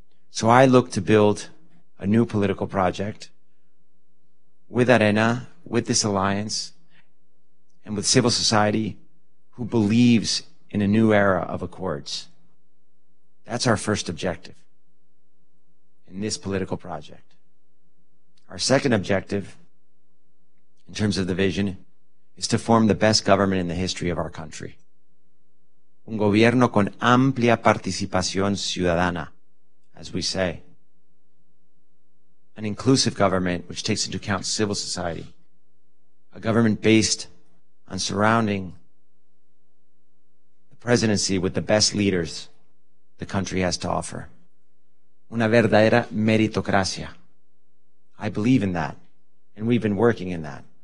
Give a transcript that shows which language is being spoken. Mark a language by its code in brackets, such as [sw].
[en] So I look to build a new political project with Arena, with this alliance, and with civil society who believes in a new era of accords. That's our first objective in this political project. Our second objective, in terms of the vision, is to form the best government in the history of our country. [es] Un gobierno con amplia participación ciudadana, [en] as we say. An inclusive government which takes into account civil society. A government based on surrounding the presidency with the best leaders the country has to offer. [es] Una verdadera meritocracia. [en] I believe in that, and we've been working in that.